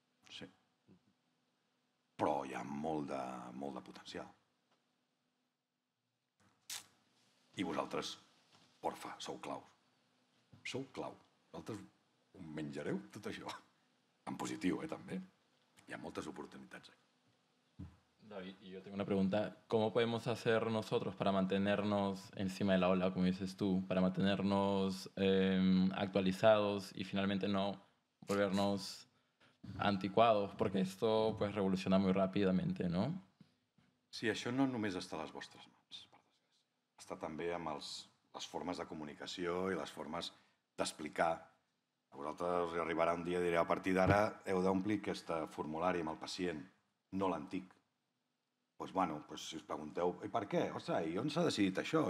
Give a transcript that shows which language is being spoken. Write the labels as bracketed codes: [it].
[ca] Sí. Però hi ha molt de potencial. I vosaltres, porfa, sou clau. Sou clau. Vosaltres ho menjareu, tot això. En positiu, també. Hi ha moltes oportunitats aquí. [es] David, y yo tengo una pregunta. ¿Cómo podemos hacer nosotros para mantenernos encima de la ola, como dices tú, para mantenernos actualizados y finalmente no volvernos anticuados? Porque esto pues revoluciona muy rápidamente, ¿no? [ca] Sí, això no només està a les vostres mans. Està també amb les formes de comunicació i les formes d'explicar. A vosaltres arribarà un dia i diré, a partir d'ara heu d'omplir aquest formulari amb el pacient, no l'antic. Doncs bueno, si us pregunteu, i per què? Ostres, i on s'ha decidit això?